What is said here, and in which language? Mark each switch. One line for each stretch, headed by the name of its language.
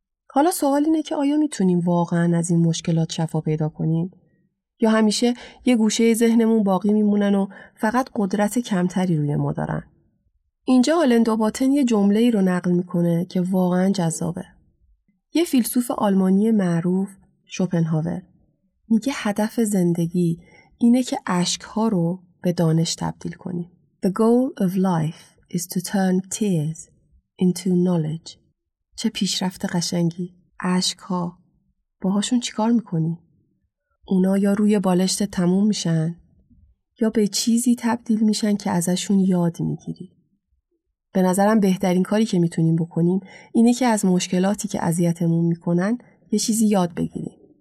Persian: حالا سوال اینه که آیا میتونیم واقعا از این مشکلات شفا پیدا کنیم؟ یا همیشه یه گوشه ذهنمون باقی میمونن و فقط قدرت کمتری روی ما دارن؟ اینجا آلن دوباتن یه جمله‌ای رو نقل می‌کنه که واقعاً جذابه. یه فیلسوف آلمانی معروف، شوپنهاور، میگه هدف زندگی اینه که اشک‌ها رو به دانش تبدیل کنی.
English: The goal of life is to turn tears into knowledge.
Persian: چه پیشرفت قشنگی. اشک‌ها، باهاشون چیکار می‌کنی؟ اونا یا روی بالشت تموم میشن یا به چیزی تبدیل میشن که ازشون یاد می‌گیری. به نظرم بهترین کاری که میتونیم بکنیم اینه که از مشکلاتی که اذیتمون میکنن یه چیزی یاد بگیریم.